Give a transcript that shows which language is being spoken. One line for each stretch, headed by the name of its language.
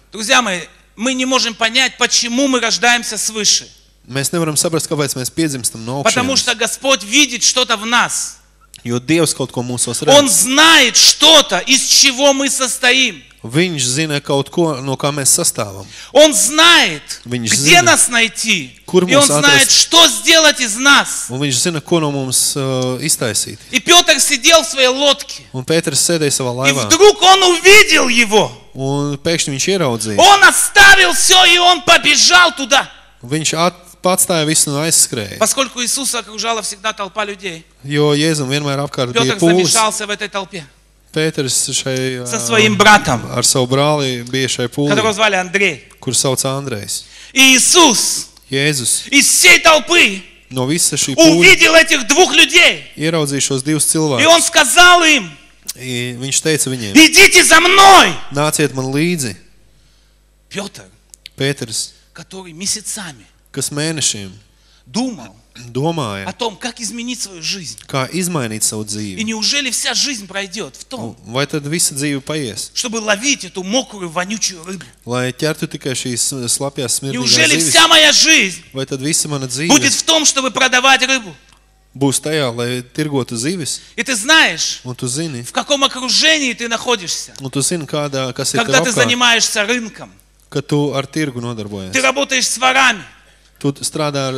Russian: Друзья мои, мы не можем понять, почему мы рождаемся свыше.
Latvian: Mēs nevaram saprast, kāpēc mēs piedzimstam no augšas.
Russian: Потому что Господь видит что-то в нас.
Latvian: Jo Dievs kaut ko mūsos redz.
Russian: Он знает что-то, из чего мы состоим.
Latvian: Viņš zina kaut ko, no kā mēs sastāvam.
Russian: Он знает,
Latvian: viņš
Russian: где
Latvian: zina,
Russian: нас найти.
Latvian: Kur
Russian: и он знает, что сделать из нас.
Latvian: Un viņš zina, ko no mums iztaisīt.
Russian: И Пётр сидел в своей лодке.
Latvian: Un Pēteris sēdēja savā laivā.
Russian: И вдруг он увидел его.
Latvian: Un pēkšņi viņš ieraudzīja.
Russian: Он оставил все, и он побежал туда.
Latvian: Viņš atstāja visu un aizskrēja.
Russian: Поскольку Иисус окружала всегда толпа людей.
Latvian: Jo Jēzum vienmēr apkārt bija pūlis.
Russian: Пётр замешался в этой толпе.
Latvian: Pēteris šai,
Russian: со своим братом.
Latvian: Ar savu brāli bija šai pūlī.
Russian: Которого звали Андрей.
Latvian: Kur sauc Andrejs.
Russian: Иисус.
Latvian: Jēzus.
Russian: Из всей толпы.
Latvian: No visa šī
Russian: pūļa. Увидел этих двух людей.
Latvian: Ieraudzīja šos divus cilvēkus.
Russian: И он сказал им.
Latvian: И viņš teica viņiem.
Russian: Идите за мной.
Latvian: Nāciet man līdzi.
Russian: Пётр.
Latvian: Pēteris.
Russian: Который месяцами.
Latvian: Kas mēnešiem.
Russian: Думал.
Latvian: Domāja,
Russian: о том, как изменить свою жизнь.
Latvian: Kā izmainīt savu dzīvi.
Russian: И неужели вся жизнь пройдет в том,
Latvian: vai tad visa dzīve paies?
Russian: Чтобы ловить эту мокрую, вонючую рыбу.
Latvian: Lai ķertu tikai šīs slapjās smirdīgās
Russian: zivis. Неужели вся моя жизнь
Latvian: vai tad visa mana dzīve
Russian: будет в том, чтобы продавать рыбу?
Latvian: Būs tajā, lai tirgotu zivis.
Russian: И ты знаешь,
Latvian: un tu zini,
Russian: в каком окружении ты находишься.
Latvian: Un tu zini, kādā, kas ir tev apkārt.
Russian: Когда ты занимаешься рынком.
Latvian: Kad tu ar tirgu nodarbojies.
Russian: Ты работаешь с ворами.
Latvian: Tu strādā ar